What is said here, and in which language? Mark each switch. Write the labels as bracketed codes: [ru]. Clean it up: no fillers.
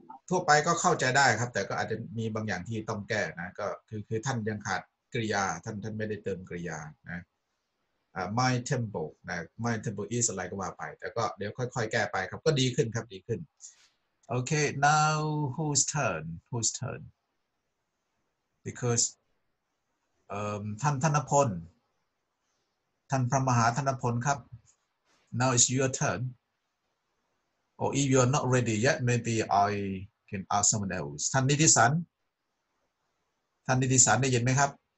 [th] ทั่วไปก็เข้าใจได้ครับแต่ก็อาจจะมีบางอย่างที่ต้องแก้นะก็คือท่านยังขาดกริยาท่านไม่ได้เติมกริยานะ [en] My temple [th] นะ [en] My temple is [th] อะไรก็ว่าไปแต่ก็เดี๋ยวค่อยๆแก้ไปครับก็ดีขึ้นครับดีขึ้นโอเค [en] now whose turnBecause [th] ท่านพลท่านพระมหาท่านพลครับ [en] Now it's your turn. Or if you are not ready yet, maybe I can ask someone else. [th] ท่านนิติสันท่านนิติสันได้ยินไหมครับ